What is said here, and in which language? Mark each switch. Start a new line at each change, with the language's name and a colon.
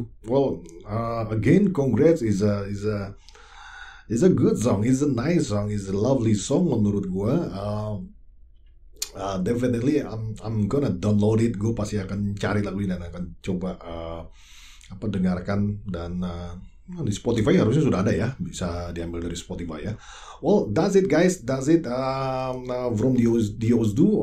English: Well, again congrats, is a good song, is a nice song, is a lovely song
Indonesian: menurut gua.
English: Definitely I'm gonna download it.
Indonesian: Gua pasti akan cari lagu ini dan akan coba dengarkan, dan di Spotify harusnya sudah ada ya, bisa diambil dari Spotify ya.
English: Well, that's it guys, that's it from Dio's Do.